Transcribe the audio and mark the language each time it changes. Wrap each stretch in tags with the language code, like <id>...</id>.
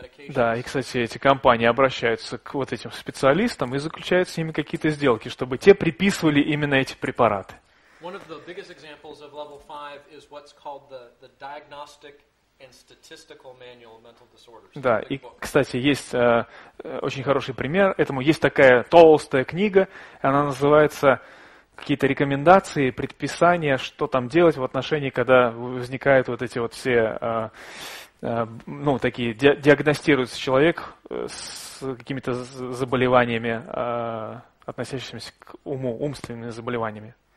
<ru>Да, и, кстати, эти компании обращаются к вот этим специалистам и заключают с ними какие-то сделки, чтобы те приписывали именно эти препараты.</ru> <en>One of the biggest examples of level 5 is what's called the Diagnostic and Statistical Manual of Mental Disorders.</en> <ru>Да, и, кстати, есть очень хороший пример этому. Есть такая толстая книга, она называется «Какие-то рекомендации, предписания, что там делать в отношении, когда возникают вот эти вот все, ну, такие, диагностируется человек с какими-то заболеваниями, относящимися к уму, умственными заболеваниями».</ru>